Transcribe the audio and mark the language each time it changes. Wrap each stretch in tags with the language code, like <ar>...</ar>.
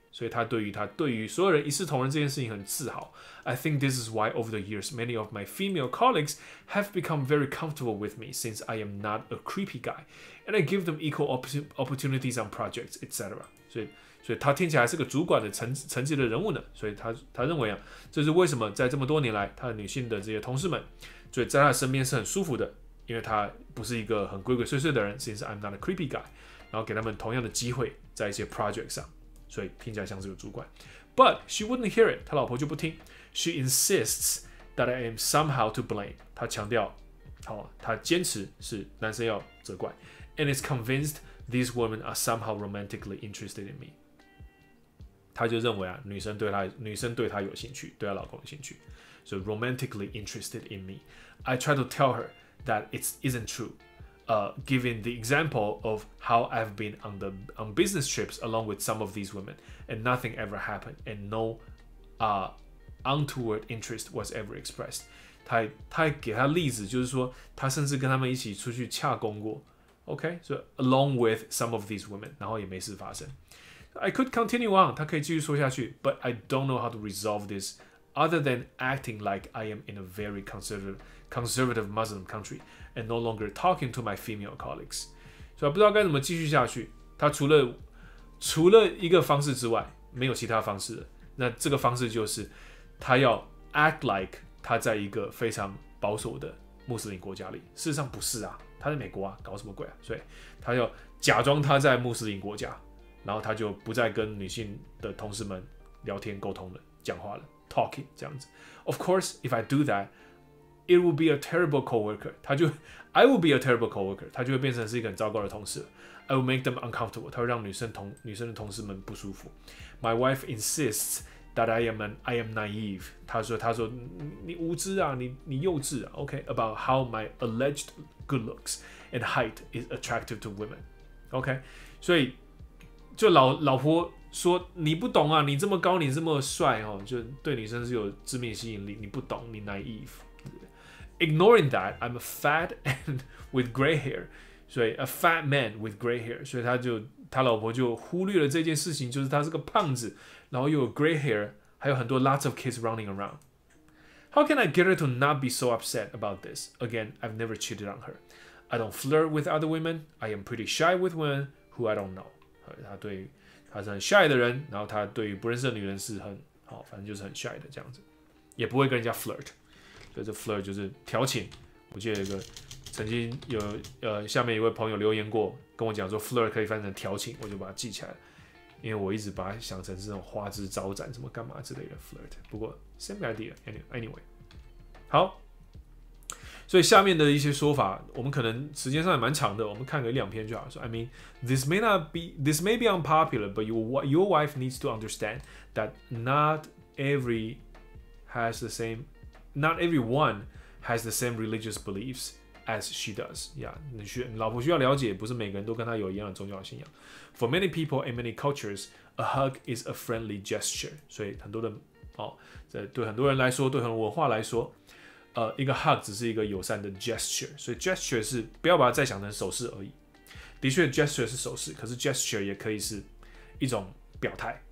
<zh>所以他对于所有人一视同仁这件事情很自豪。</zh> <en>I think this is why over the years many of my female colleagues have become very comfortable with me since I am not a creepy guy, and I give them equal opportunities on projects, etc.</en> <zh>所以他听起来是个主管的层级的人物呢。所以他认为啊，这是为什么在这么多年来，他的女性的这些同事们，所以在他身边是很舒服的。因为他不是一个很鬼鬼祟祟的人 ，</zh> <en>since I'm not a creepy guy，</en> <zh>然后给他们同样的机会在一些 project 上，所以听起来像是个主管。</zh> <en>But she wouldn't hear it，</en> <zh>他老婆就不听。</zh> <en>She insists that I am somehow to blame，</en> <zh>他强调，好，他坚持是男生要责怪。</zh> <en>And is convinced these women are somehow romantically interested in me，</en> <zh>他就认为啊，女生对他有兴趣，对他老公有兴趣，所以</zh> <en>romantically interested in me。I try to tell her。 That it isn't true, giving the example of how I've been on business trips along with some of these women, and nothing ever happened, and no, untoward interest was ever expressed.</en> <zh>他给他例子，就是说他甚至跟他们一起出去洽公过 ，OK?</zh> <en>So along with some of these women,</en> <zh>然后也没事发生。</zh> <en>I could continue on,</en> <zh>他可以继续说下去</zh> <en>，but I don't know how to resolve this other than acting like I am in a very conservative Muslim country, and no longer talking to my female colleagues.</en> <zh>所以不知道该怎么继续下去。他除了一个方式之外，没有其他方式了。那这个方式就是，他要 act like 他在一个非常保守的穆斯林国家里。事实上不是啊，他在美国啊，搞什么鬼啊？所以他要假装他在穆斯林国家，然后他就不再跟女性的同事们聊天沟通了，讲话了 ，talking 这样子。</zh> <en>Of course, if I do that. It will be a terrible coworker. I will be a terrible coworker.</en> <zh>他就会变成是一个很糟糕的同事。</zh> <en>I will make them uncomfortable.</en> <zh>他会让女生的同事们不舒服。</zh> <en>My wife insists that I am naive.</en> <zh>他说你无知啊，你幼稚啊。</zh> <en>Okay, about how my alleged good looks and height is attractive to women.</en> <zh>Okay, 所以就老婆说你不懂啊，你这么高，你这么帅哦，就对女生是有致命吸引力。你不懂，你 naive。</zh> <en>Ignoring that, I'm a fat and with gray hair. So a fat man with gray hair.</en> <zh>所以他老婆就忽略了这件事情，就是他是个胖子，然后又有 gray hair， 还有很多</zh> <en>lots of kids running around. How can I get her to not be so upset about this? Again, I've never cheated on her. I don't flirt with other women. I am pretty shy with women who I don't know.</en> <zh>他是很 shy 的人，然后他对于不认识的女人是很好，反正就是很 shy 的这样子，也不会跟人家 flirt。所以这 flirt 就是调情，我记得有个曾经有下面一位朋友留言过，跟我讲说 flirt 可以翻成调情，我就把它记起来了，因为我一直把它想成是那种花枝招展什么干嘛之类的 flirt。不过</zh> <en>same idea anyway。</en> <zh>好，所以下面的一些说法，我们可能时间上也蛮长的，我们看个两篇就好。</zh> <en>说 I mean this may be unpopular, but your wife needs to understand that not every has the same. Not everyone has the same religious beliefs as she does.</en> <zh>Yeah, 老婆需要了解，不是每个人都跟她有一样的宗教信仰。</zh> <en>For many people and many cultures, a hug is a friendly gesture.</en> <zh>所以很多的哦，这对很多人来说，对很多文化来说，一个 hug 只是一个友善的 gesture. 所以 gesture 是不要把它再想成手势而已。的确 ，gesture 是手势，可是 gesture 也可以是一种表态。</zh>